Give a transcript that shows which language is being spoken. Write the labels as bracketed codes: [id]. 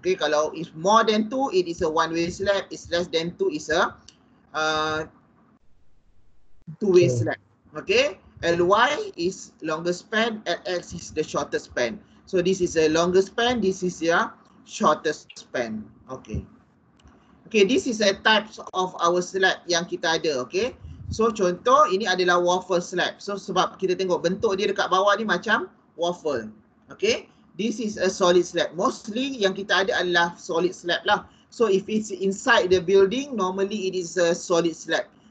[en] Okay, kalau is more than 2, it is a one-way slab. It's less than 2, is a two-way slab. Okay, LY is longest span, LX is the shortest span. So this is a longer span, this is your shortest span. Okay. Okay, this is a types of our slab [ms] yang kita ada, [en] okay. [ms] So contoh, ini adalah waffle slab. So sebab kita tengok bentuk dia dekat bawah ni macam waffle. Okay. [en] This is a solid slab. [ms] Mostly yang kita ada adalah solid slab lah. [en] So if it's inside the building, normally it is a solid slab.